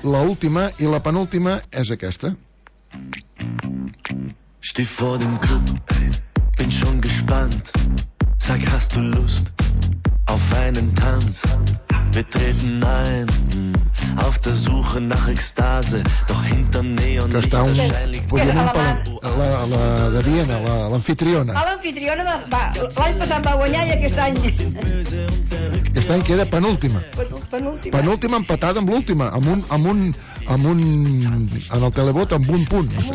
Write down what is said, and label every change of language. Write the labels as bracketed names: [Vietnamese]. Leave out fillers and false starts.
[Catalan] L'última i la penúltima és aquesta. [German] Steh vor dem Club, bin schon gespannt. Sag, hast du Lust auf einen Tanz? Wir treten ein auf der Suche nach Ekstase, doch hinterm Neon licht wahrscheinlich... [Catalan] La de Viena, l'anfitriona. L'anfitriona l'any passat va guanyar i aquest any... Aquest any queda penúltima. Penúltima empatada amb l'última, amb un... en el televot, amb un punt.